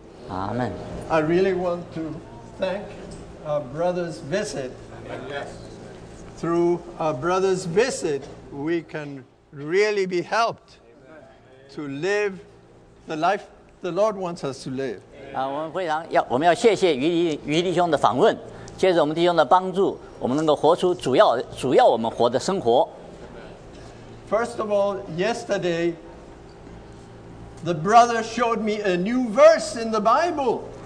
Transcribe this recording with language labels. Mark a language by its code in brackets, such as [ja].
[en] Amen. I really want to thank our brother's visit. Yes. Through our brother's visit, we can really be helped. Amen. To live the life the Lord wants us to live. [zh] 我们非常要，我们要谢谢于弟兄的访问，借着我们弟兄的帮助，我们能够活出主要我们活的生活。 [en] First of all, yesterday, the brother showed me a new verse in the Bible.